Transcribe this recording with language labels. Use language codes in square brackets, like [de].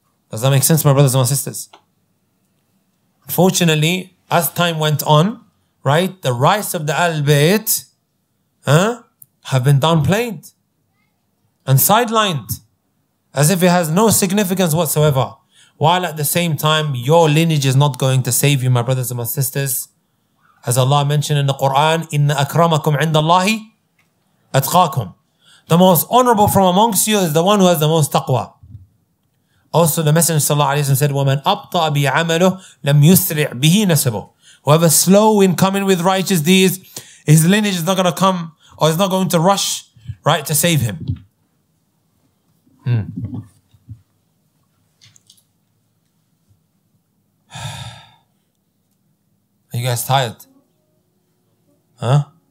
[en] Does that make sense, my brothers and my sisters? Unfortunately, as time went on, right, the rights of the Al-Bayt have been downplayed and sidelined as if it has no significance whatsoever. While at the same time, your lineage is not going to save you, my brothers and my sisters. As Allah mentioned in the Qur'an, [ar] إِنَّ أَكْرَمَكُمْ عِنْدَ اللَّهِ أَتْقَاكُمْ. [en] The most honorable from amongst you is the one who has the most taqwa. Also, the Messenger [ar] صلى الله عليه وسلم [en] said, [ar] وَمَنْ أَبْطَأَ بِعَمَلُهُ لَمْ يُسْرِعْ بِهِ نَسَبُهُ. [en] Whoever is slow in coming with righteous deeds, his lineage is not going to come, or is not going to rush, right, to save him. Are you guys tired? Huh?